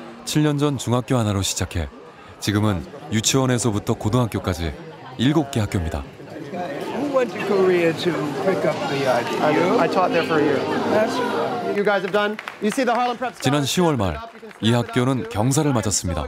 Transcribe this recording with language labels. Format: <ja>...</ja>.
<ko>7년 전 중학교 하나로 시작해 지금은 유치원에서부터 고등학교까지 7개 학교입니다.</ko> <en>Who went to Korea to pick up the idea? I taught there for a year. You guys have done. You see the Harlem Prep.</en> <ko>지난 10월 말 이 학교는 경사를 맞았습니다.</ko>